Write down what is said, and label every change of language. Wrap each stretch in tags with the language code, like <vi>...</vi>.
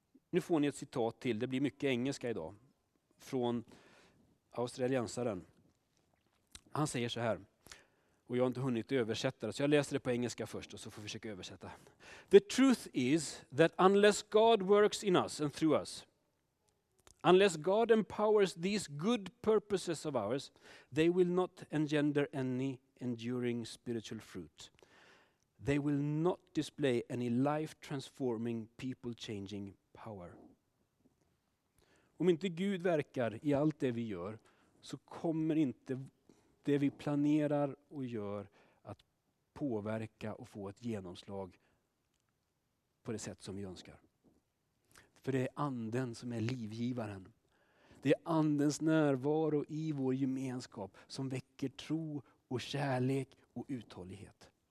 <sv>Nu får ni ett citat till, det blir mycket engelska idag, från australiensaren. Han säger så här, och jag har inte hunnit översätta det, så jag läser det på engelska först och så får vi försöka översätta.</sv> <en>The truth is that unless God works in us and through us, unless God empowers these good purposes of ours, they will not engender any enduring spiritual fruit. They will not display any life-transforming, people-changing power.</en> <sv>Om inte Gud verkar i allt det vi gör så kommer inte det vi planerar och gör att påverka och få ett genomslag på det sätt som vi önskar. För det är anden som är livgivaren. Det är andens närvaro i vår gemenskap som väcker tro och kärlek och uthållighet.</sv>